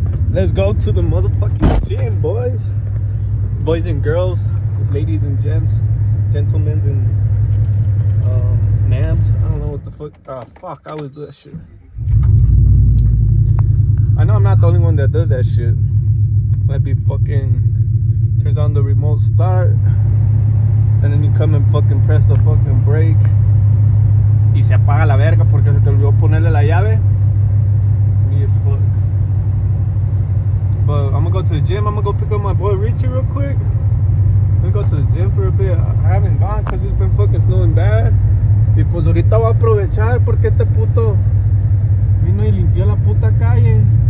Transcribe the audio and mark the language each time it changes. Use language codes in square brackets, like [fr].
[en] Let's go to the motherfucking gym, boys. Boys and girls, ladies and gents, gentlemen and Nams, I don't know what the fuck. Fuck, I always do that shit. I know I'm not the only one that does that shit. Might be fucking turns on the remote start, and then you come and fucking press the fucking brake. [es] Y se apaga la verga porque se te olvidó ponerle la llave. [en] Me as fuck. But I'm gonna go to the gym. I'm gonna go pick up my boy Richie real quick. Let me go to the gym for a bit. I haven't gone because it's been fucking snowing bad. [es] Y pues ahorita voy a aprovechar porque este puto vino y limpió la puta calle.